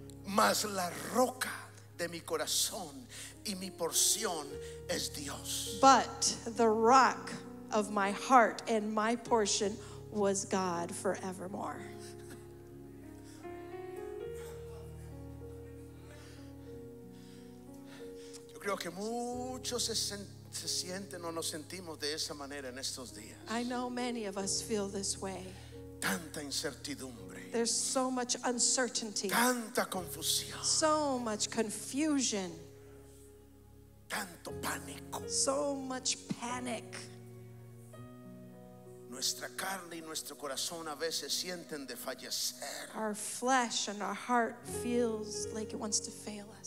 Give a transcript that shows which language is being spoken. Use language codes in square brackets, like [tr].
[es] Mas la roca de mi corazón y mi porción es Dios. [en] But the rock of my heart and my portion was God forevermore. [es] Yo creo que muchos se sienten o nos sentimos de esa manera en estos días. [en] I know many of us feel this way. [es] Tanta incertidumbre. [en] There's so much uncertainty. [es] Tanta confusión. [en] So much confusion. [es] Tanto pánico. [en] So much panic. [es] Nuestra carne y nuestro corazón a veces sienten de fallecer. [en] Our flesh and our heart feels like it wants to fail us.